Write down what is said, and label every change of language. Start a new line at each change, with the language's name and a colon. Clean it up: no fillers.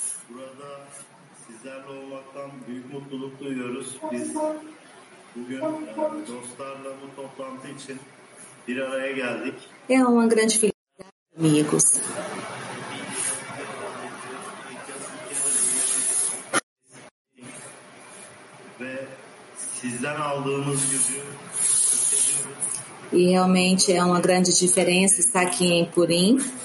Turkish: Burada sizlerle olmaktan büyük mutluluk duyuyoruz. Biz bugün dostlarla bu toplantı için bir araya geldik.
Portuguese: É uma grande felicidade, amigos.
Turkish: Ve sizden aldığımız gücü.
Portuguese: E realmente é uma grande diferença estar aqui em Purim.